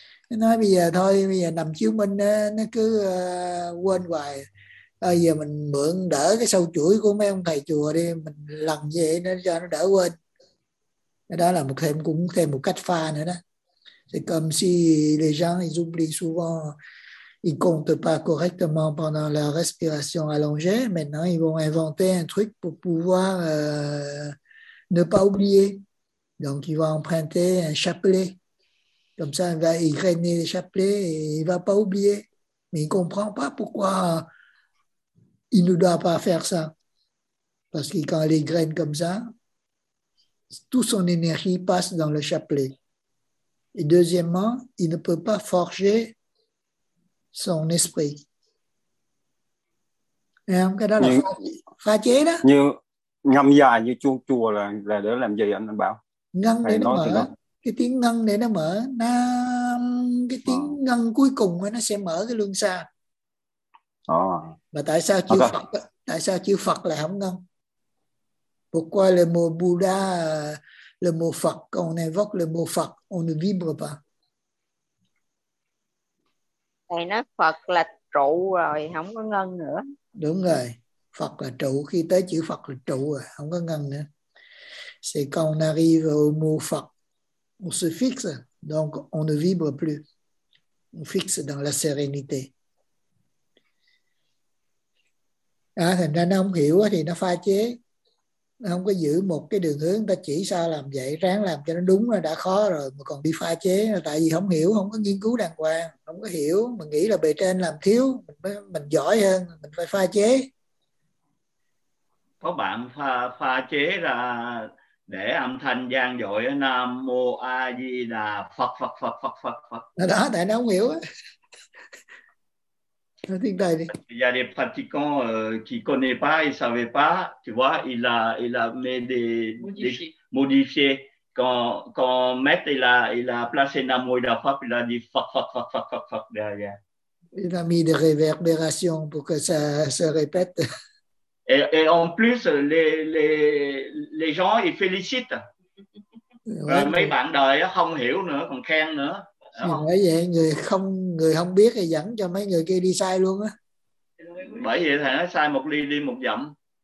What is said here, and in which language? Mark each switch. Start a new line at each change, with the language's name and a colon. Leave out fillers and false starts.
Vietnamese: Nó nói bây giờ thôi, bây giờ nằm chiếu minh nó cứ quên hoài. Bây giờ mình mượn đỡ cái sâu chuỗi của mấy ông thầy chùa đi, mình lần về nó cho nó đỡ quên. Đó là một thêm, cũng thêm một cách pha nữa đó.
French: C'est comme si les gens ils oublient souvent. ils ne comptent pas correctement pendant leur respiration allongée. Maintenant, ils vont inventer un truc pour pouvoir ne pas oublier. Donc, il va emprunter un chapelet. Comme ça, il va égrener les chapelets et il ne va pas oublier. Mais il ne comprend pas pourquoi il ne doit pas faire ça. Parce que quand il égrène comme ça, toute son énergie passe dans le chapelet. Et deuxièmement, il ne peut pas forger son esprit. Et on peut dire là, là. Là.
Vietnamese: Như ngâm dài như chuông chùa là để làm gì anh bảo? Ngân để nó mở, cái tiếng ngân để nó mở, Nam, cái tiếng ngân cuối cùng nó sẽ mở cái luân xa. Mà tại sao chữ Phật, tại sao chữ Phật lại không ngân?
French: Pourquoi le mot Bouddha, le mot Phật, quand on invoque le mot Phật, on ne vibre pas?
Vietnamese: Thầy nói Phật là trụ rồi, không có ngân nữa. Đúng rồi, Phật là trụ, khi tới chữ Phật là trụ rồi, không có ngân nữa.
French: C'est quand on arrive au mot Phật, on se fixe, donc on ne vibre plus. On fixe dans la sérénité.
Vietnamese: À, thành ra nó không hiểu thì nó pha chế. Nó không có giữ một cái đường hướng, ta chỉ sao làm vậy, ráng làm cho nó đúng là đã khó rồi, mà còn đi pha chế, tại vì không hiểu, không có nghiên cứu đàng hoàng, không có hiểu, mà nghĩ là bề trên làm thiếu, mình giỏi hơn, mình phải pha chế. Có bạn pha chế là để âm thanh vang dội Nam Mô A Di Đà Phật Phật Phật Phật Phật Phật. Đó, tại nó không hiểu á.
French: Il y a des pratiquants qui ne connaissent pas, ils ne savaient pas, tu vois, il a mis des modifiés. Quand Maître il a placé Namo Ida Phap, il a dit Fak, Fak, Fak, Fak, Fak, Fak derrière. Il a mis des réverbérations pour que ça se répète. Et en plus, les gens, ils félicitent. Ouais.
Vietnamese: Mấy bạn đời không hiểu nữa, còn khen nữa. Bởi vậy người không biết thì dẫn cho mấy người kia đi sai luôn á. Bởi vậy thầy nói sai một ly đi một dặm.